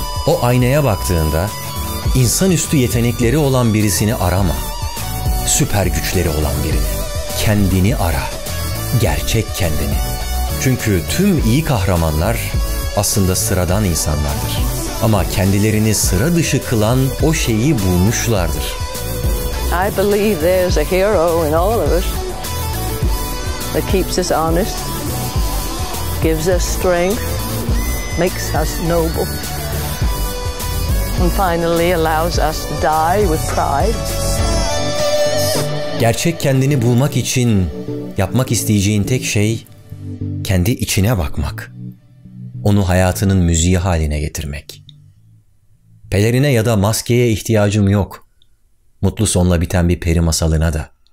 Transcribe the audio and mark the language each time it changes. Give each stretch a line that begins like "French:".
Turkish: O aynaya baktığında insanüstü yetenekleri olan birisini arama. Süper güçleri olan birini. Kendini ara. Gerçek kendini. Çünkü tüm iyi kahramanlar aslında sıradan insanlardır. Ama kendilerini sıra dışı kılan o şeyi bulmuşlardır.
English: I believe there's a hero in all of us that keeps us honest, gives us strength, makes us noble, and finally allows us to die with pride.
Turkish: Gerçek kendini bulmak için yapmak isteyeceğin tek şey kendi içine bakmak. Onu hayatının müziği haline getirmek. Pelerine ya da maskeye ihtiyacım yok. Mutlu sonla biten bir peri masalına da.